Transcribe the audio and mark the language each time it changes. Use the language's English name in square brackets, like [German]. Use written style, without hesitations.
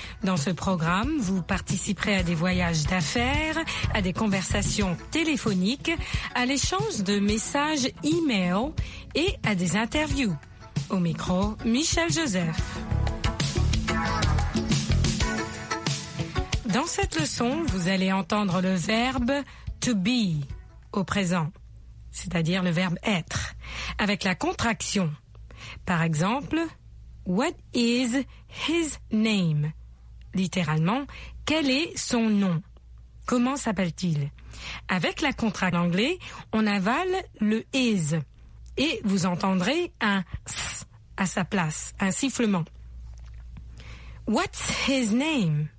[French] Dans ce programme, vous participerez à des voyages d'affaires, à des conversations téléphoniques, à l'échange de messages e-mail et à des interviews. Au micro, Michel Joseph. Dans cette leçon, vous allez entendre le verbe to be au présent, c'est-à-dire le verbe être, avec la contraction. Par exemple, [English] what is his name? [French] Littéralement, quel est son nom? Comment s'appelle-t-il? Avec la contraction anglais, on avale le is et vous entendrez un s à sa place, un sifflement. [English] What's his name?